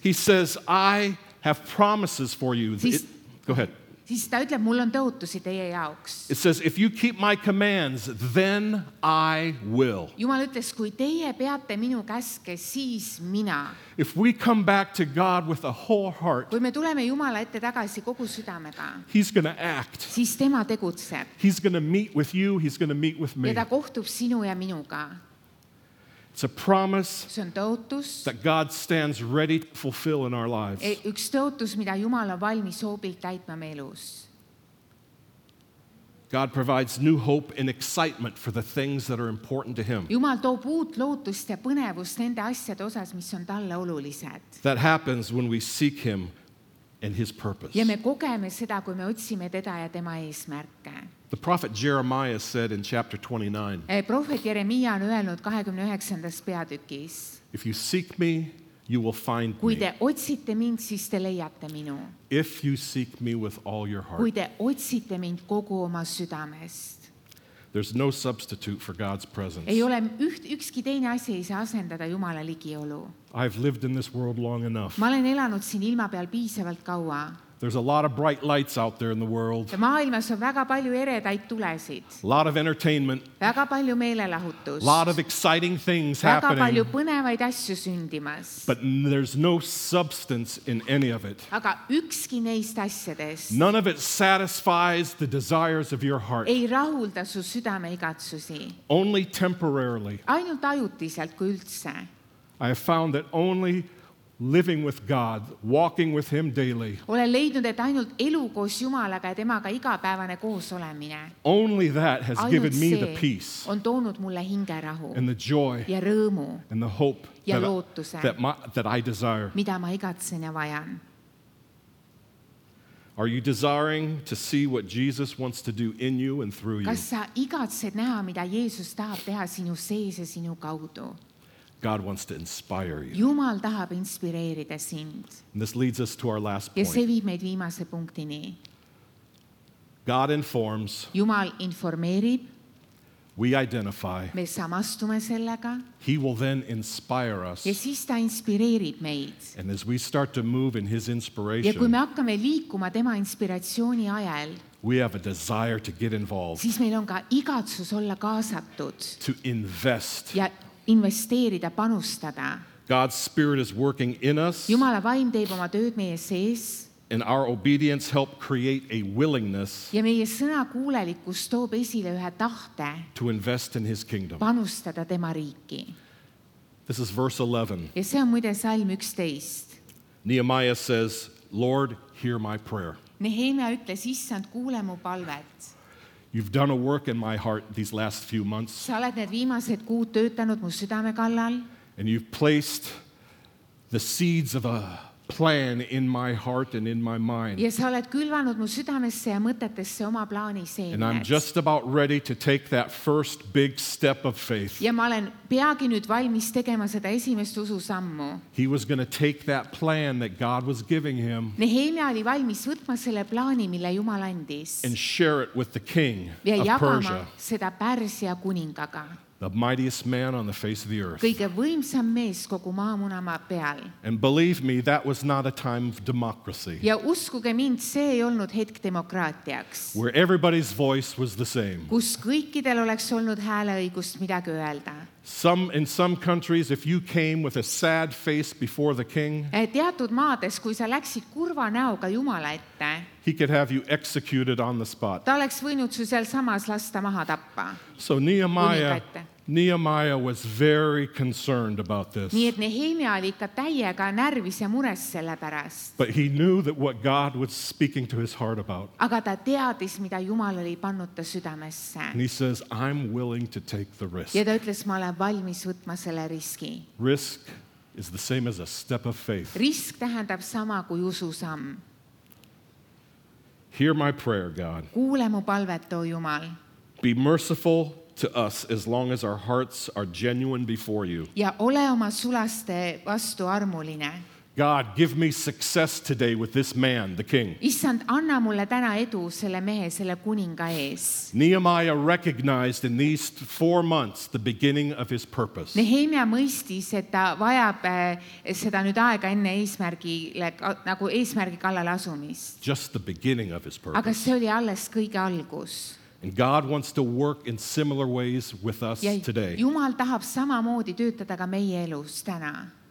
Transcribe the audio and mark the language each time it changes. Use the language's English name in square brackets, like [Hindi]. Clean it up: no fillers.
[English] he says, I have promises for you. Go ahead. [Estonian] Siis ta ütleb, mul on tõotusi teie jaoks. [English] It says, if you keep my commands, then I will. [Estonian] Jumal ütles, kui teie peate minu käske, siis mina. [English] If we come back to God with a whole heart, [Estonian] kui me tuleme Jumala ette tagasi kogu südamega, [English] he's going to act. [Estonian] Siis tema tegutseb. [English] He's going to meet with you, he's going to meet with me. [Estonian] Ja ta kohtub sinu ja minuga. [English] It's a promise. [Estonian] See on tõotus, [English] that God stands ready to fulfill in our lives. [Estonian] Üks tõotus, mida Jumal on valmis hoobilt täitma meelus. [English] God provides new hope and excitement for the things that are important to him. [Estonian] Jumal toob uut lootust ja põnevust nende asjade osas, mis on talle olulised. [English] That happens when we seek him and his purpose. [Estonian] Ja me kogeme seda, kui me otsime teda ja tema eesmärke. [English] The prophet Jeremiah said in chapter 29. [Estonian] Prohvet Jeremia on öelnud 29. peatükis. [English] If you seek me, you will find me. [Estonian] Kui te otsite mind, siis te leiate minu. [English] If you seek me with all your heart. [Estonian] Kui te otsite mind kogu oma südamest. [English] There's no substitute for God's presence. [Estonian] Ei ole ükski teine asi ei saa asendada Jumala ligiolu. [English] I've lived in this world long enough. [Estonian] Ma olen elanud siin ilma peal piisavalt kaua. [English] There's a lot of bright lights out there in the world. [Estonian] Maailmas on väga palju eredaid tulesid. [English] A lot of entertainment. [Estonian] Väga palju meelelahutus. [English] A lot of exciting things [Estonian] väga [English] happening. [Estonian] Väga palju põnevaid asju sündimas. [English] But there's no substance in any of it. [Estonian] Aga ükski neist asjadest. [English] None of it satisfies the desires of your heart. [Estonian] Ei rahulda su südame igatsusi. [English] Only temporarily. [Estonian] Ainult ajutiselt kui üldse. [English] I have found that only living with God, walking with him daily. [Estonian] Ole leidnud, et ainult elu koos Jumalaga ja temaga igapäevane koos olemine. [English] Only that has [Estonian] ainult [English] given me the peace. [Estonian] On toonud mulle hingerahu. [English] And the joy. [Estonian] Ja rõõmu. [English] And the hope. [Estonian] Ja lootuse. [English] That I desire. [Estonian] Mida ma igatsen ja vajan. [English] Are you desiring to see what Jesus wants to do in you and through you? [Estonian] Kas sa igatsed näha, mida Jeesus tahab teha sinu sees ja sinu kaudu? [English] God wants to inspire you. [Estonian] Jumal tahab inspireerida sind. [English] And this leads us to our last point. [Estonian] Ja see viib meid viimase punktini. [English] God informs. [Estonian] Jumal informeerib. [English] We identify. [Estonian] Me samastume sellega. [English] He will then inspire us. [Estonian] Ja siis ta inspireerib meid. [English] And as we start to move in his inspiration. [Estonian] Ja kui me hakkame liikuma tema inspiratsiooni ajal. [English] We have a desire to get involved. [Estonian] Siis meil on ka igatsus olla kaasatud. [English] To invest. [Estonian] Ja investeerida, panustada. [English] God's spirit is working in us. [Estonian] Jumala vaim teeb oma tööd meie sees. [English] And our obedience help create a willingness. [Estonian] Ja meie sõna kuulelikus toob esile ühe tahte. [English] To invest in his kingdom. [Estonian] Panustada tema riiki. [English] This is verse 11. [Estonian] Ja see on muide salm 11. [English] Nehemiah says, Lord, hear my prayer. [Estonian] Nehemia ütles, issand, kuule mu palvet. [English] You've done a work in my heart these last few months. [Estonian] Sa oled need viimased kuud töötanud mu südame kallal. [English] And you've placed the seeds of a plan in my heart and in my mind. [Estonian] Ja sa oled külvanud mu südamesse ja mõtetesse oma plaani seemned. [English] And I'm just about ready to take that first big step of faith. [Estonian] Ja ma olen peagi nüüd valmis tegema seda esimest ususammu. [English] He was going to take that plan that God was giving him. [Estonian] Nehemia oli valmis võtma selle plaani, mille Jumal andis. [English] And share it with the king [Estonian] ja [English] of Persia. [Estonian] Seda Pärsia kuningaga. [English] The mightiest man on the face of the earth. [Estonian] Kõige võimsam mees kogu maamunama peal. [English] And believe me, that was not a time of democracy. [Estonian] Ja uskuge mind, see ei olnud hetk demokraatiaks. [English] Where everybody's voice was the same. [Estonian] Kus kõikidel oleks olnud hääleõigust midagi öelda. [English] Some in some countries, if you came with a sad face before the king, [Estonian] teatud maades, kui sa läksid kurva näoga Jumala ette, [English] he could have you executed on the spot. [Estonian] Ta oleks võinud su seal samas lasta maha tappa. [English] So Nehemiah was very concerned about this. [Estonian] Nii et Nehemia oli ikka täiega närvis ja mures selle pärast. [English] But he knew that what God was speaking to his heart about. [Estonian] Aga ta teadis, mida Jumal oli pannud ta südamesse. [English] And he says, I'm willing to take the risk. [Estonian] Ja ta ütles, ma olen valmis võtma selle riski. [English] Risk is the same as a step of faith. [Estonian] Risk tähendab sama kui ususamm. [English] Hear my prayer, God. [Estonian] Kuule mu palvet, o Jumal. [English] Be merciful to us as long as our hearts are genuine before you. [Estonian] Ja ole oma sulaste vastu armuline. [English] God, give me success today with this man, the king. [Estonian] Issand, anna mulle täna edu selle mehe, selle kuninga ees. [English] Nehemiah recognized in these 4 months the beginning of his purpose. [Estonian] Nehemia mõistis, et ta vajab seda nüüd aega enne eesmärgile, nagu eesmärgi kallal asumist. [English] Just the beginning of his purpose. [Estonian] Aga see oli alles kõige algus. [English] And God wants to work in similar ways with us [Estonian] ja [English] today. [Estonian] Jumal tahab samamoodi töötada ka meie elus täna.